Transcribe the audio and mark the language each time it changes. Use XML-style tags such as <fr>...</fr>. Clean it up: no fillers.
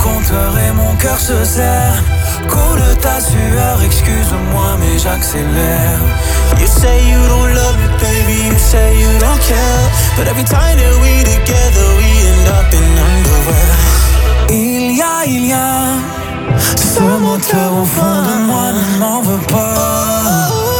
<fr>Et mon cœur se serre. Coule ta sueur, excuse-moi mais j'accélère.</fr> <en>You say you don't love me baby, you say you don't care. But every time that we together we end up in underwear.</en> <fr>Ilia, Ilia, ce moteur au fond de moi ne m'en veut pas.</fr>